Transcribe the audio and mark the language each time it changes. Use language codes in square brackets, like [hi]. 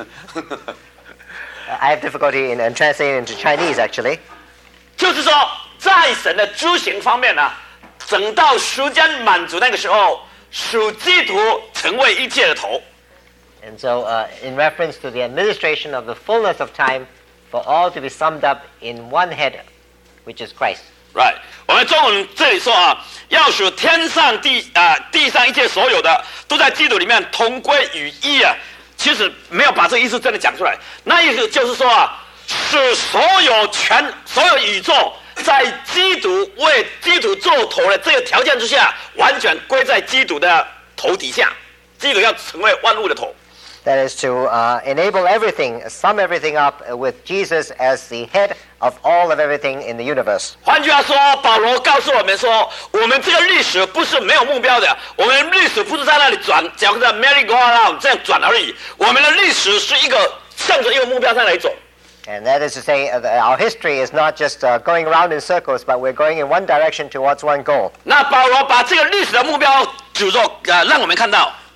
[zh] 其实保罗这句话我很难把它翻成中文所以我就把几个把它写出来意思就是说神的旨意是什么呢就是神在执行的 [en] I have difficulty in translating into Chinese actually. [zh] 就是说，在神的诸行方面呢，等到时间满足那个时候，属基督成为一切的头。And [en] so, in reference to the administration of the fullness of time, for all to be summed up in one head, which is Christ. Right. [zh] 我们中文这里说啊，要使天上地上一切所有的都在基督里面同归于一啊，其实没有把这个意思真的讲出来。那意思就是说啊，使所有全所有宇宙。在基督为基督做头的这个条件之下，完全归在基督的头底下。基督要成为万物的头。 [en] That is to enable everything, sum everything up with Jesus as the head of all of everything in the universe. [zh] 换句话说，保罗告诉我们说，我们这个历史不是没有目标的，我们历史不是在那里转，只要在merry-go-round这样转而已。我们的历史是一个向着一个目标在那里走。 [en] And that is to say, our history is not just going around in circles, but we're going in one direction towards one goal. [zh] 那保罗把这个历史的目标指着，让我们看到。